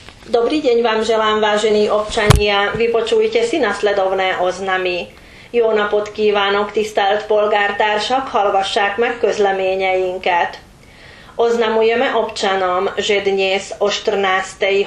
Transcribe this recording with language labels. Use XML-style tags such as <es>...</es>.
<sk>Dobrý deň vám želám, vážení občania. Vypočujte si nasledovné oznamy.</sk> <hu>Jó napot kívánok, tisztelt polgártársak, hallgassák meg közleményeinket.</hu> <sk>Oznamujeme občanom, že dnes o 14.</sk>